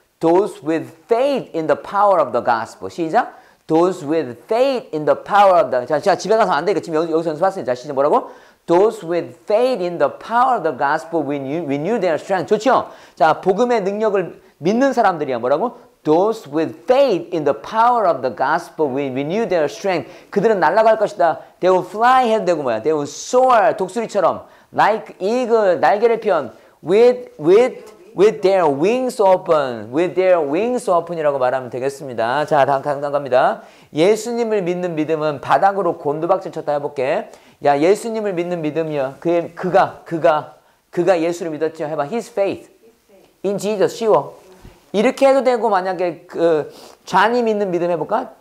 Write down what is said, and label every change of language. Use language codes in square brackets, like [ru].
[en] Those with faith in the power of the gospel. [ko] 시작. [en] Those with faith in the power of the. [ko] 자, 제가 집에 가서 안 되니까 지금 여기서 연습하세요. 자, 시작. 뭐라고? [en] Those with faith in the power of the gospel renew their strength. [ko] 좋죠? 자, 복음의 능력을 믿는 사람들이야. 뭐라고? [en] Those with faith in the power of the gospel will renew their strength. [ko] 그들은 날아갈 것이다. [en] They will fly [ko] 해도 되고 뭐야? [en] They will soar [ko] 독수리처럼 [en] like eagle [ko] 날개를 편 [en] with their wings open. With their wings open [ko] 이라고 말하면 되겠습니다. 자, 다음 갑니다. 예수님을 믿는 믿음은 바닥으로 곤두박질 쳤다 해볼게. 야, 예수님을 믿는 믿음이야. 그가 예수를 믿었죠. 해봐. [en] His faith. in Jesus, [ko] 쉬워. 이렇게 해도 되고 만약에 그 존이 믿는 믿음 해볼까?